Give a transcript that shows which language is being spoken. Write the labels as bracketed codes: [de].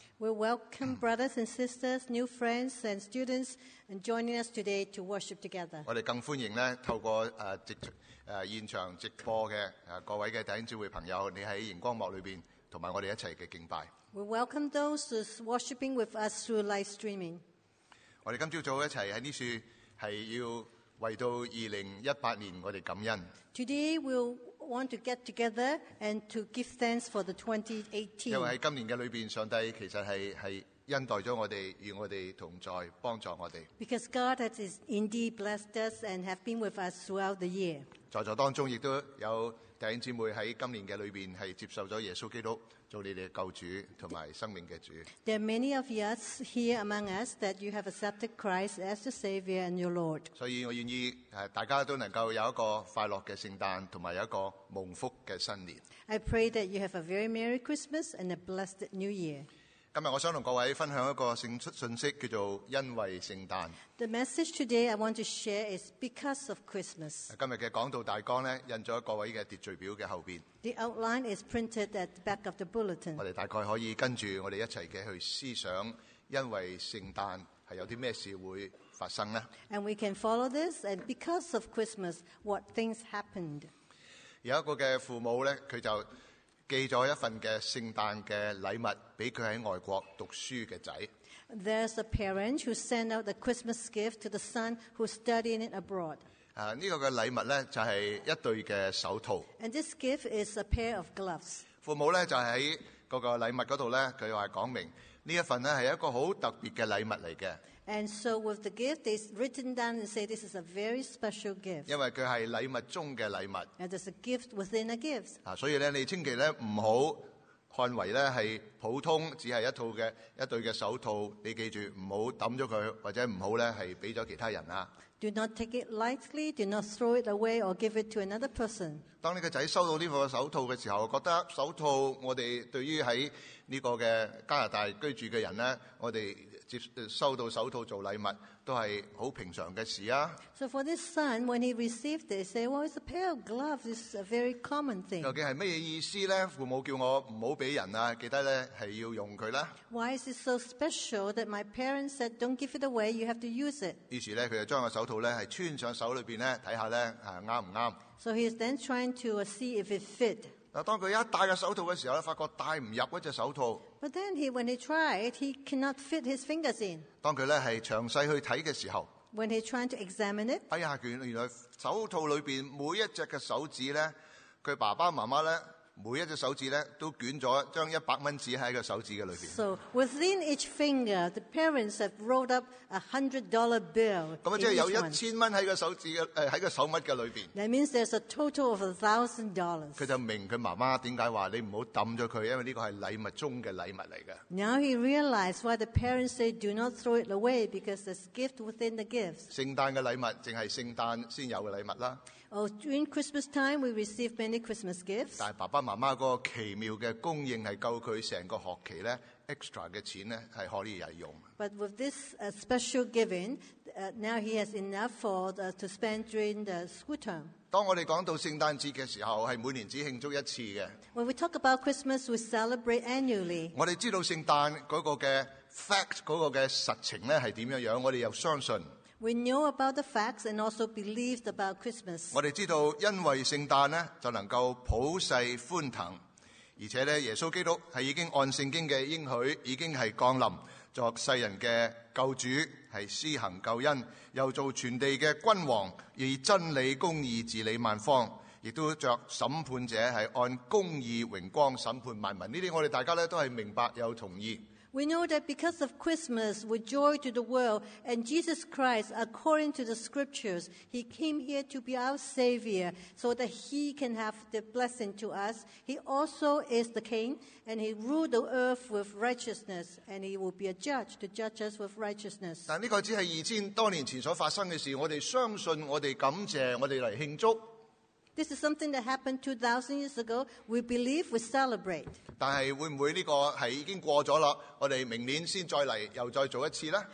[en] We welcome brothers and sisters, new friends and students, and joining us today to worship together. [yue] 我哋更欢迎咧，透过现场直播嘅各位嘅弟兄姊妹朋友，你喺荧光幕里边。同埋我哋一齐嘅敬拜。 [en] We welcome those who are worshiping with us through live streaming. [yue] 我哋今朝早一齐喺呢处系要为到2018年我哋感恩。 [en] Today we want to get together and to give thanks for the 2018. [yue] 因为喺今年嘅里边，上帝其实系恩待咗我哋，与我哋同在，帮助我哋。 [en] Because God has indeed blessed us and have been with us throughout the year. [yue] 在座当中亦都有。弟兄姊妹在今年的里面是接受了耶稣基督做你们的救主和生命的主。 [en] There are many of us here among us that you have accepted Christ as your Savior and your Lord. [yue] 所以我愿意大家都能够有一个快乐的圣诞和有一个蒙福的新年。 [en] I pray that you have a very Merry Christmas and a blessed New Year. [yue] 今天我想跟各位分享一个信息叫做因为圣诞。 [en] The message today I want to share is because of Christmas. [yue] 今天的讲道大纲呢印在各位的秩序表的后面。 [en] The outline is printed at the back of the bulletin. [yue] 我们大概可以跟着我们一起的去思想因为圣诞是有什么事会发生呢。 [en] And we can follow this and because of Christmas, what things happened. [yue] 有一个的父母呢他就寄咗一份嘅圣诞嘅礼物俾佢喺外国读书嘅仔。 [en] There's a parent who sent out the Christmas gift to the son who's studying it abroad. [yue] 呢个嘅礼物咧就系一对嘅手套。 [en] And this gift is a pair of gloves. [yue] 父母咧就喺嗰个礼物嗰度咧，佢话讲明呢一份咧系一个好特别嘅礼物嚟嘅。 [en] And so with the gift, they've written down and say this is a very special gift. [yue] 因为它是礼物中的礼物。 [en] And it's a gift within a gift. [yue] 所以呢你千祈呢不要看为呢是普通只是一套的一对的手套。你记住不要抌了它或者不要呢是给了其他人。 [en] Do not take it lightly, do not throw it away or give it to another person. [yue] 当你的仔收到这个手套的时候觉得手套我们对于在这个的加拿大居住的人呢我们收到手套做礼物都是很平常的事啊。 [en] So for this son, when he received it, he said, well, it's a pair of gloves, it's a very common thing. [yue] 究竟是什么意思呢父母叫我不要给人啊记得呢是要用它啦。 [en] Why is it so special that my parents said, don't give it away, you have to use it? [yue] 于是呢他就将手套呢是穿上手里面呢看看呢是合不合。 [en] So he is then trying to see if it fit. [yue] 当他一戴着手套的时候发觉戴不入那只手套。 [en] But then he, when he tried, he cannot fit his fingers in. [yue] 当他是详细去看的时候。 [en] When he tried to examine it. [yue] 哎呀原来手套里面每一只的手指呢他爸爸妈妈呢每一只手指呢都卷了将$100在个手指的里面。 [en] So, within each finger, the parents have rolled up $100 bill. [yue] 那么就是有$1,000在个手指的在个手物的里面。 [en] That means there's a total of $1,000. [yue] 他就明白他妈妈为什么说你不要抌了他因为这个是礼物中的礼物来的。 [en] Now he realized why the parents say do not throw it away because there's gift within the gifts. [yue] 圣诞的礼物只是圣诞先有的礼物啦。 [en] Oh, during Christmas time, we receive many Christmas gifts. [yue] 但爸爸妈妈的奇妙的供应是够他整个学期呢 extra 的钱呢是可以用。 [en] But with this special giving, now he has enough for to spend during the school term. [yue] 当我们讲到圣诞节的时候是每年只庆祝一次的。 [en] When we talk about Christmas, we celebrate annually. [yue] 我们知道圣诞那个的 fact, 那个的实情呢是怎样我们又相信。 [en] We know about the facts and also believed about Christmas. [yue] 我们知道因为圣诞呢就能够普世欢腾。而且呢耶稣基督是已经按圣经的应许已经是降临作世人的救主是施行救恩又做全地的君王以真理公义治理万方。亦都着审判者是按公义荣光审判万民。这些我们大家都是明白又同意。 [en] We know that because of Christmas, with joy to the world, and Jesus Christ, according to the scriptures, he came here to be our savior, so that he can have the blessing to us. He also is the king, and he ruled the earth with righteousness, and he will be a judge to judge us with righteousness. [yue] 但这个只是2000多年前所发生的事，我们相信，我们感谢，我们来庆祝。 [en] This is something that happened 2,000 years ago. We believe, we celebrate. [yue] 但是会不会这个是已经过了，我们明年先再来又再做一次呢？